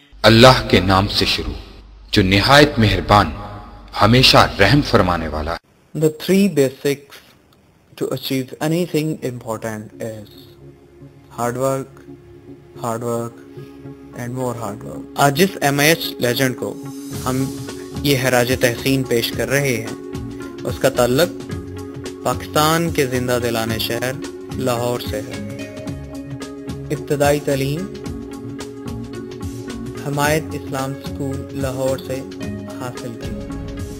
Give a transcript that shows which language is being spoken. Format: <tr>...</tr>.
<ur>اللہ کے نام سے شروع جو نہایت مہربان ہمیشہ رحم فرمانے والا ہے.</ur> <en>The three basics to achieve anything important is hard work and more hard work.</en> <ur>آج جس MIH لیجنڈ کو ہم یہ خراج تحسین پیش کر رہے ہیں اس کا تعلق پاکستان کے زندہ دلانے شہر لاہور سے ہے. ابتدائی تعلیم حمایت اسلام سکول لاہور سے حاصل کی.</ur>